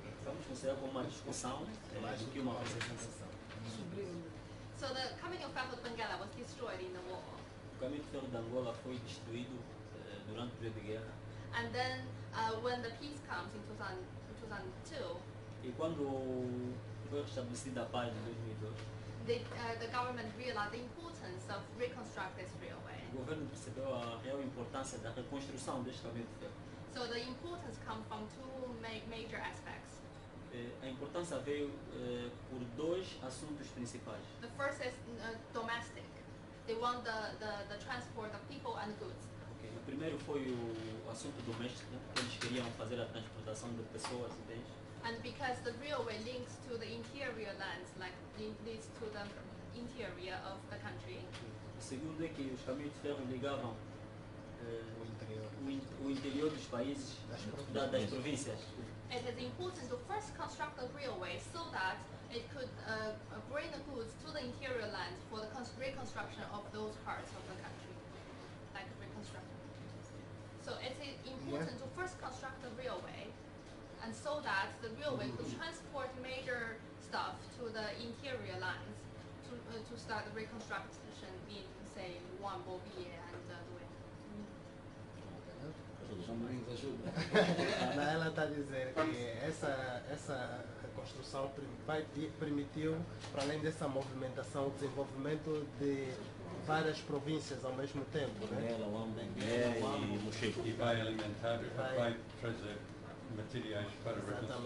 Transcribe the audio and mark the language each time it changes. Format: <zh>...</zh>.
<pt>Vamos considerar como uma discussão mais do que uma apresentação.</pt> <en>So the Caminho de Ferro de Benguela was destroyed in the war.</en> <pt>O Caminho de Ferro de Angola foi destruído durante o período de guerra.</pt> <en>And then when the peace comes in 2002.</en> <pt>E quando foi estabelecida a paz em 2002.</pt> <en>The government realized the importance of reconstruct this railway.</en> <pt>O governo percebeu a real importância da reconstrução deste caminho de ferro.</pt> <en>So the importance comes from two major aspects.</en> <pt>A importância veio por dois assuntos principais.</pt> <en>The first is domestic. They want the transport of people and goods.</en> <pt>Okay. O primeiro foi o assunto doméstico, né? Eles queriam fazer a transportação de pessoas e bens.</pt> <en>And because the railway links to the interior lands, like leads to the interior of the country.</en> <pt>O segundo é que os caminhos de ferro ligavam o interior dos países, das províncias.</pt> <en>It is important to first construct a railway so that it could bring the goods to the interior lands for the reconstruction of those parts of the country, like reconstruction. So it is important to first construct a railway and so that the railway could transport major stuff to the interior lines to start the reconstruction in, say, Wambobie and the way.</en> <pt>Ela está a dizer que essa reconstrução permitiu, para além dessa movimentação, o desenvolvimento de várias províncias ao mesmo tempo. E vai alimentar, vai trazer materiais para a reconstrução.</pt>